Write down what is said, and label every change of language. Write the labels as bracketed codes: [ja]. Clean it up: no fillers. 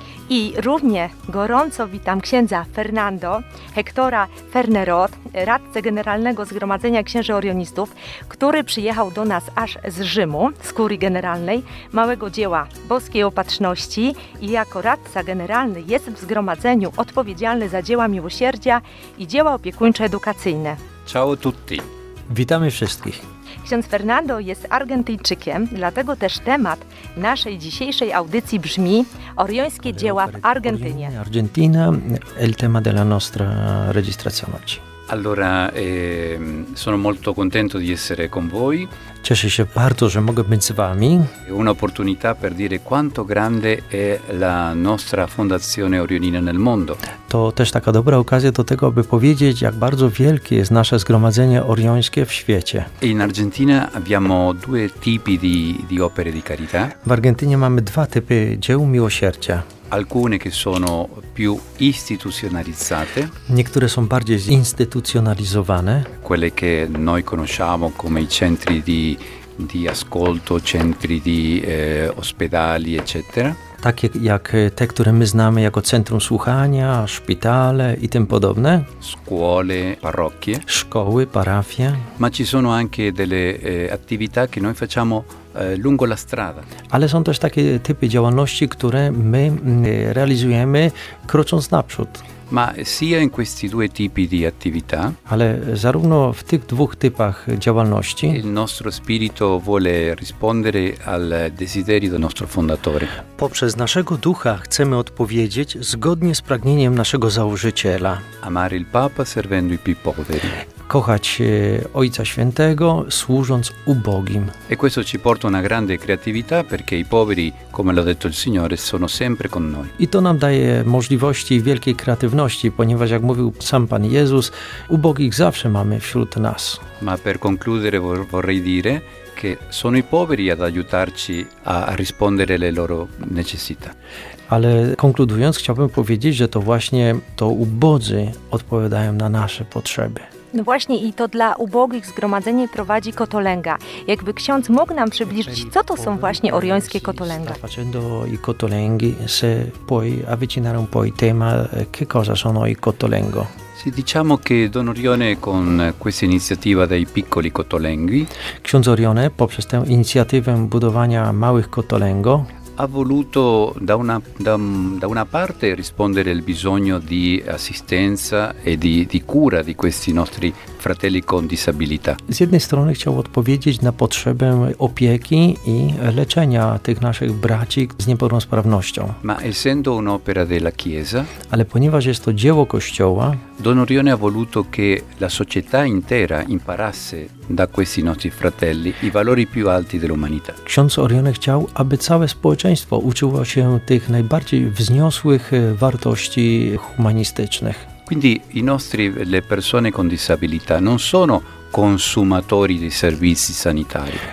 [pl] I równie gorąco witam księdza Fernando Hektora Fernerot, radcę generalnego Zgromadzenia Księży Orionistów, który przyjechał do nas aż z Rzymu, z Kurii Generalnej, małego dzieła Boskiej Opatrzności i jako radca generalny jest w zgromadzeniu odpowiedzialny za dzieła miłosierdzia i dzieła opiekuńczo-edukacyjne. [it] Ciao tutti. [pl] Witamy wszystkich. Ksiądz Fernando jest Argentyńczykiem, dlatego też temat naszej dzisiejszej audycji brzmi Oriońskie dzieła w Argentynie. [it] Argentina, el tema della nostra registrazione oggi. Allora, sono molto contento di essere con voi. [pl] Cieszę się bardzo, że mogę być z wami. [it] Un'opportunità per dire quanto grande è la nostra fondazione Orionina nel mondo. [pl] To też taka dobra okazja do tego, aby powiedzieć, jak bardzo wielkie jest nasze zgromadzenie oriońskie w świecie. [it] In Argentina abbiamo due tipi di opere di carità. [pl] W Argentynie mamy dwa typy dzieł miłosierdzia. [it] Alcune che sono più istituzionalizzate. [pl] Niektóre są bardziej zinstytucjonalizowane. [it] Quelle che noi conosciamo come i centri di ascolto, centri di ospedali, eccetera. [pl] Takie jak te, które my znamy jako centrum słuchania, szpitale i tym podobne. [it] Scuole, parrocchie. [pl] Szkoły, parafie. [it] Ma ci sono anche delle attività che noi facciamo lungo la strada. [pl] Ale są też takie typy działalności, które my realizujemy krocząc naprzód. [it] Ma sia in questi due tipi di attività. [pl] Ale zarówno w tych dwóch typach działalności. [it] Il nostro spirito vuole rispondere al desiderio del nostro fondatore. [pl] Poprzez naszego ducha chcemy odpowiedzieć zgodnie z pragnieniem naszego założyciela. [it] Amare il Papa servendo i più poveri. [pl] Kochać Ojca Świętego, służąc ubogim. [it] E questo ci porta una grande creatività, perché i poveri, come l'ha detto il Signore, sono sempre con noi. [pl] I to nam daje możliwości wielkiej kreatywności, ponieważ jak mówił sam Pan Jezus, ubogich zawsze mamy wśród nas. [it] Ma per concludere vorrei dire che sono i poveri ad aiutarci a rispondere alle loro necessità. [pl] Ale konkludując, chciałbym powiedzieć, że to właśnie to ubodzy odpowiadają na nasze potrzeby. No właśnie i to dla ubogich zgromadzenie prowadzi Kotolęga. Jakby ksiądz mógł nam przybliżyć, co to są właśnie oriońskie Kotolęga? [it] Facendo i Kotolęgi, se puoi avvicinare un po' il tema, che cosa sono i Kotolęgo? Sì, diciamo che Don Orione con questa iniziativa dei piccoli Kotolęgi. [pl] Ksiądz Orione poprzez tę inicjatywę budowania małych Kotolęgo [it] ha voluto da una parte rispondere al bisogno di assistenza e di cura di questi nostri fratelli con disabilità. [pl] Z jednej strony chciał odpowiedzieć na potrzebę opieki i leczenia tych naszych braci z niepełnosprawnością. [it] Ma essendo un'opera della Chiesa, [pl] ale ponieważ jest to dzieło Kościoła, [it] Don Orione ha voluto che la società intera imparasse da questi nostri fratelli i valori più alti dell'umanità. [pl] Ksiądz Orione chciał, aby całe społeczeństwo uczyło się tych najbardziej wzniosłych wartości humanistycznych. [it] Quindi i nostri, le persone con disabilità non sono consumatori dei servizi sanitari.